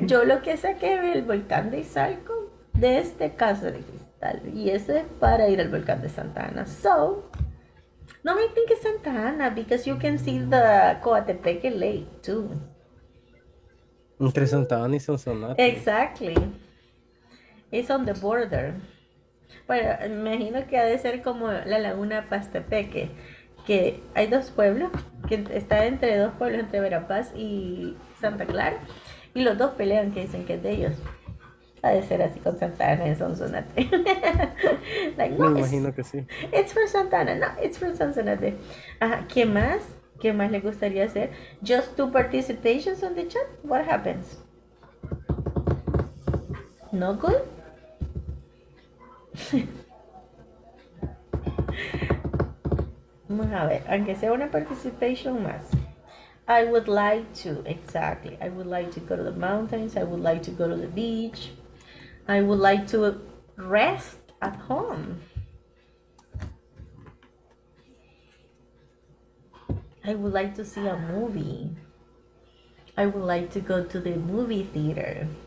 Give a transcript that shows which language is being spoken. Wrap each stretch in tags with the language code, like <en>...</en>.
<es>Yo lo que sé que es el volcán de Izalco de este caso de Cristo. Y eso es para ir al volcán de Santa Ana.</es> <en>So, no me think it's Santa Ana, because you can see the Coatepeque Lake too.</en> <es>Entre Santa Ana y Sonsonate.</es> <en>Exactly. It's on the border.</en> <es>Bueno, imagino que ha de ser como la Laguna Pastepeque, que hay dos pueblos, que está entre dos pueblos, entre Verapaz y Santa Clara, y los dos pelean, que dicen que es de ellos. Ha de ser así con Santa Ana en Sonsonate. Like, no, me imagino que sí.</es> <en>It's for Santa Ana, no, it's for Sonsonate.</en> <es>¿Qué más? ¿Qué más le gustaría hacer?</es> <en>Just two participations on the chat? What happens? No good?</en> <es>Vamos a ver, aunque sea una participation más.</es> <en>I would like to, exactly. I would like to go to the mountains. I would like to go to the beach. I would like to rest at home. I would like to see a movie. I would like to go to the movie theater.</en>